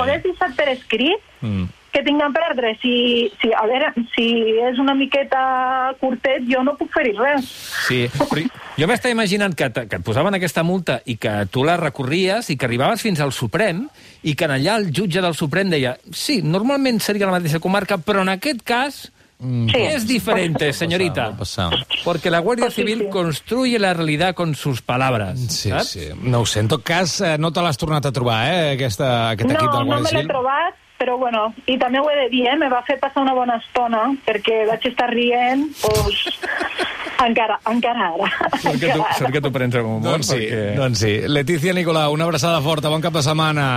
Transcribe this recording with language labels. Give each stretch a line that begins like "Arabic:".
Catalan: hagués deixat per escrit, que tinc a perdre. Si és una miqueta curtet, jo no puc fer-hi res. Sí, però jo m'estava imaginant que et posaven aquesta multa i que tu la recorries i que arribaves fins al Suprem i que allà el jutge del Suprem deia sí, normalment seria la mateixa comarca, però en aquest cas... Sí.
Spanish: Es diferente, señorita. Porque la Guardia Civil construye la realidad con sus palabras.
Catalan: Sí, saps? Sí. No ho sé. En tot cas, no te l'has tornat a trobar, aquest no, equip del Guardia Civil. No, me l'he trobat, però bueno. I també ho he de dir, me va fer passar una bona estona, perquè vaig estar rient, doncs... Encara ara. Sort que t'ho prens amb humor. Doncs sí. Letícia Nicolau, una abraçada forta, bon cap de setmana,